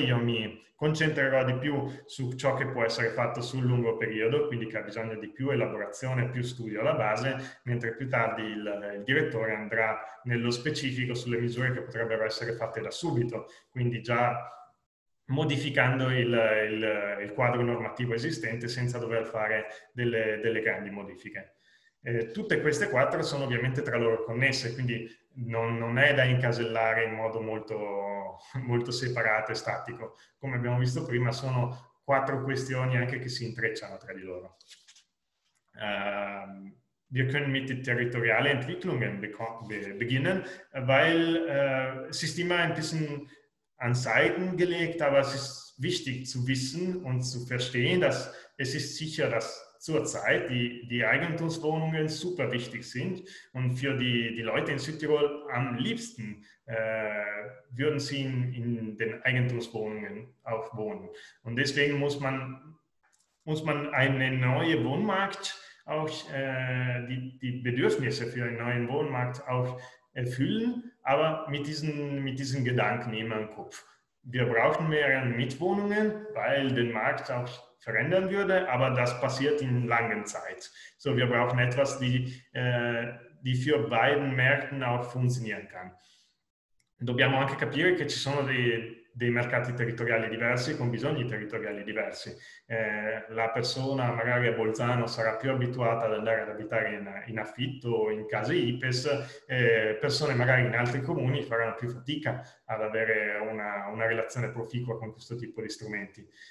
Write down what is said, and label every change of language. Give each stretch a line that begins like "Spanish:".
Italian: Io mi concentrerò di più su ciò che può essere fatto sul lungo periodo, quindi che ha bisogno di più elaborazione, più studio alla base, mentre più tardi il direttore andrà nello specifico sulle misure che potrebbero essere fatte da subito, quindi già modificando il quadro normativo esistente senza dover fare delle grandi modifiche. Tutte queste quattro sono ovviamente tra loro connesse, quindi non è da incasellare in modo molto, molto separato e statico. Come abbiamo visto prima, sono quattro questioni anche che si intrecciano tra di loro.
German: Wir können mit der territoriale Entwicklungen beginnen, weil Sistema ein bisschen an Seiten gelegt, aber es ist wichtig zu wissen und zu verstehen, dass es ist sicher, dass zurzeit die Eigentumswohnungen super wichtig sind und für die Leute in Südtirol am liebsten würden sie in den Eigentumswohnungen auch wohnen. Und deswegen muss man einen neuen Wohnmarkt auch, die Bedürfnisse für einen neuen Wohnmarkt auch erfüllen, aber mit diesen Gedanken immer im Kopf. Wir brauchen mehr Mietwohnungen, weil den Markt auch verändern würde, aber das passiert in langer Zeit. So, wir brauchen etwas, die für beiden Märkten auch funktionieren kann.
Italian: Dobbiamo anche capire che ci sono dei mercati territoriali diversi con bisogni territoriali diversi. La persona magari a Bolzano sarà più abituata ad andare ad abitare in affitto o in case IPES, persone magari in altri comuni faranno più fatica ad avere una relazione proficua con questo tipo di strumenti.